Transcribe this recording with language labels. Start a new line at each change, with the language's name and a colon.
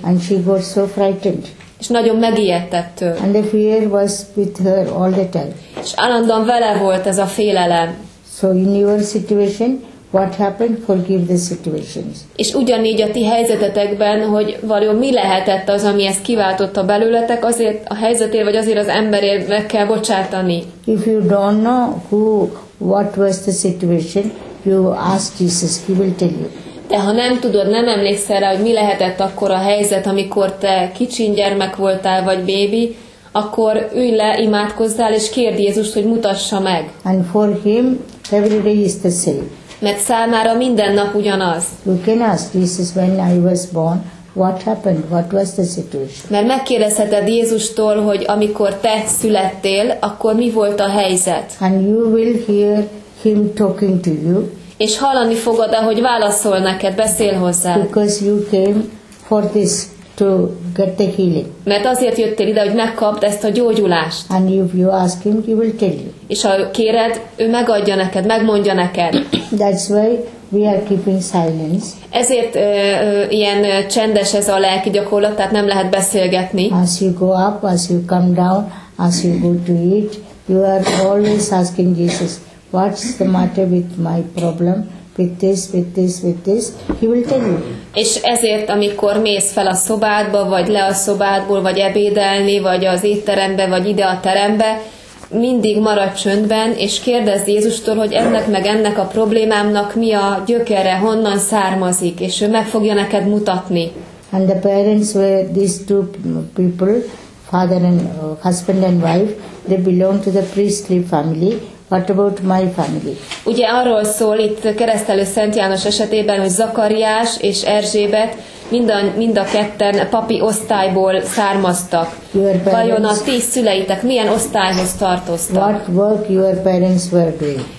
English: And she was so frightened.
Hungarian: És nagyon megijedt ettől.
English: And the fear was with her all the time.
Hungarian: És állandóan vele volt ez a félelem.
English: So in your situation, what happened? Forgive the situations.
Hungarian: És ugyanígy a ti helyzetetekben, hogy vajon mi lehetett az, ami ezt kiváltotta belőletek, azért a helyzetért, vagy azért az emberért meg kell bocsátani.
English: If you don't know who, what was the situation, you ask Jesus, he will tell you.
Hungarian: De ha nem tudod, nem emlékszel rá, hogy mi lehetett akkor a helyzet, amikor te kicsin gyermek voltál, vagy bébi, akkor ülj le, imádkozzál, és kérd Jézust, hogy mutassa meg.
English: And for him, every day is the same.
Hungarian: Mert számára minden nap ugyanaz.
English: You can ask Jesus, when I was born, what happened, what was the situation?
Hungarian: Mert megkérdezheted Jézustól, hogy amikor te születtél, akkor mi volt a helyzet?
English: And you will hear him talking to you.
Hungarian: És hallani fogod, ahogy válaszol neked, beszél hozzá.
English: Because you came for this, to get the healing.
Hungarian: Mert azért jöttél ide, hogy megkapd ezt a gyógyulást.
English: And if you ask him, he will tell you.
Hungarian: És ha kéred, ő megadja neked, megmondja neked.
English: That's why we are keeping silence.
Hungarian: Ezért ilyen csendes ez a lelki gyakorlat, tehát nem lehet beszélgetni.
English: As you go up, as you come down, as you go to eat, you are always asking Jesus, what's the matter with my problem? With this, with this, with this, he will tell you.
Hungarian: És ezért, amikor mész fel a szobádba, vagy le a szobádból, vagy ebédelni, vagy az étterembe, vagy ide a terembe, mindig maradj csöndben, és kérdezz Jézustól, hogy ennek meg ennek a problémámnak mi a gyökere, honnan származik, és ő meg fogja neked mutatni.
English: And the parents were these two people, father and husband and wife, they belong to the priestly family. What about my family?
Hungarian: Ugye arról szól itt keresztelő Szent János esetében, hogy Zakariás és Erzsébet mind a ketten papi osztályból származtak. Vajon a ti szüleitek milyen osztályhoz tartoztak?
English: What work your parents were doing?